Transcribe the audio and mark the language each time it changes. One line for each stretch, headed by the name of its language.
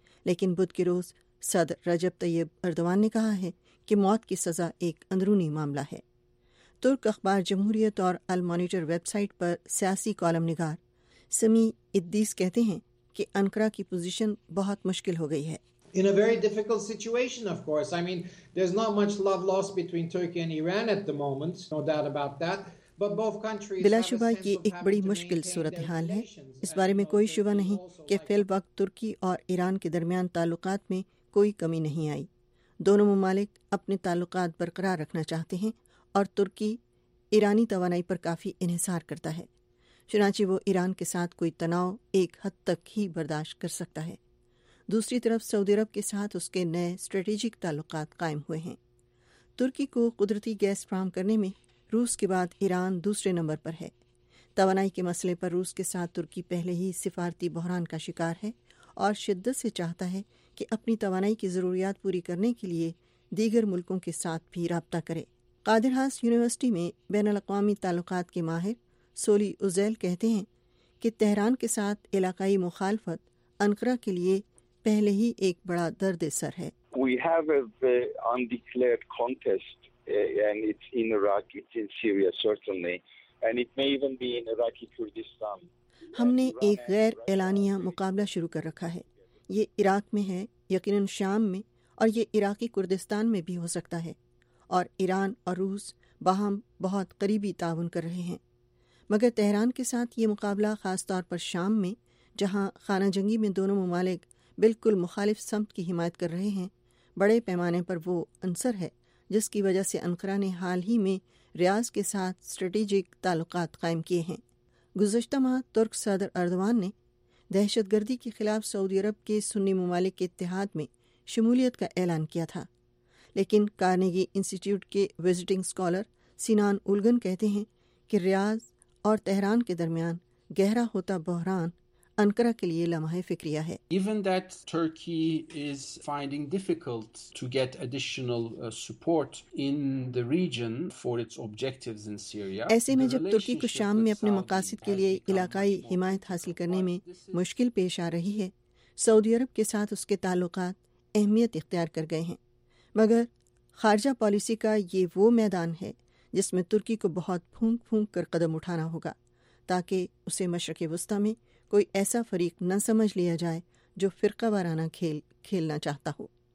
Urdu: لیکن بدھ کے روز صدر رجب طیب اردوان نے کہا ہے کہ موت کی سزا ایک اندرونی معاملہ ہے۔ ترک اخبار جمہوریت اور المونیٹر ویب سائٹ پر سیاسی کالم نگار سمی ادیس کہتے ہیں کہ انقرہ کی پوزیشن بہت مشکل ہو گئی ہے۔
English: In a very difficult situation, of course. I mean, there's not much love lost between Turkey and Iran at the moment, no doubt about that. But both countries
Urdu: بلا شبہ یہ ایک بڑی مشکل صورتحال ہے۔ اس بارے میں کوئی شبہ نہیں کہ فی الوقت ترکی اور ایران کے درمیان تعلقات میں کوئی کمی نہیں آئی۔ دونوں ممالک اپنے تعلقات برقرار رکھنا چاہتے ہیں اور ترکی ایرانی توانائی پر کافی انحصار کرتا ہے، چنانچہ وہ ایران کے ساتھ کوئی تناؤ ایک حد تک ہی برداشت کر سکتا ہے۔ دوسری طرف سعودی عرب کے ساتھ اس کے نئے اسٹریٹجک تعلقات قائم ہوئے ہیں۔ ترکی کو قدرتی گیس فراہم کرنے میں روس کے بعد ایران دوسرے نمبر پر ہے۔ توانائی کے مسئلے پر روس کے ساتھ ترکی پہلے ہی سفارتی بحران کا شکار ہے اور شدت سے چاہتا ہے کہ اپنی توانائی کی ضروریات پوری کرنے کے لیے دیگر ملکوں کے ساتھ بھی رابطہ کرے۔ قادر حاس یونیورسٹی میں بین الاقوامی تعلقات کے ماہر سولی ازیل کہتے ہیں کہ تہران کے ساتھ علاقائی مخالفت انقرہ کے لیے پہلے ہی ایک بڑا درد سر ہے۔
English: We have an undeclared contest and it's in Iraq, it's in Syria certainly, and it may even be in Iraqi Kurdistan.
Urdu: ہم نے ایک غیر اعلانیہ مقابلہ شروع کر رکھا ہے، یہ عراق میں ہے، یقیناً شام میں، اور یہ عراقی کردستان میں بھی ہو سکتا ہے، اور ایران اور روس باہم بہت قریبی تعاون کر رہے ہیں، مگر تہران کے ساتھ یہ مقابلہ خاص طور پر شام میں، جہاں خانہ جنگی میں دونوں ممالک بالکل مخالف سمت کی حمایت کر رہے ہیں، بڑے پیمانے پر وہ عنصر ہے جس کی وجہ سے انقرہ نے حال ہی میں ریاض کے ساتھ اسٹریٹجک تعلقات قائم کیے ہیں۔ گزشتہ ماہ ترک صدر اردوان نے دہشت گردی کے خلاف سعودی عرب کے سنی ممالک کے اتحاد میں شمولیت کا اعلان کیا تھا، لیکن کارنگی انسٹیٹیوٹ کے وزٹنگ اسکالر سینان اولگن کہتے ہیں کہ ریاض اور تہران کے درمیان گہرا ہوتا بحران انکرا کے لیے لمحہ فکریہ ہے.
English: Even that Turkey is finding difficult to get additional support in the region for its objectives in Syria.
Urdu: ایسے میں جب ترکی کو شام میں اپنے مقاصد کے لیے علاقائی حمایت حاصل کرنے میں مشکل پیش آ رہی ہے, سعودی عرب کے ساتھ اس کے تعلقات اہمیت اختیار کر گئے ہیں. مگر خارجہ پالیسی کا یہ وہ میدان ہے جس میں ترکی کو بہت پھونک پھونک کر قدم اٹھانا ہوگا تاکہ اسے مشرق وسطی میں کوئی ایسا فریق نہ سمجھ لیا جائے جو فرقہ وارانہ کھیل کھیلنا چاہتا ہو.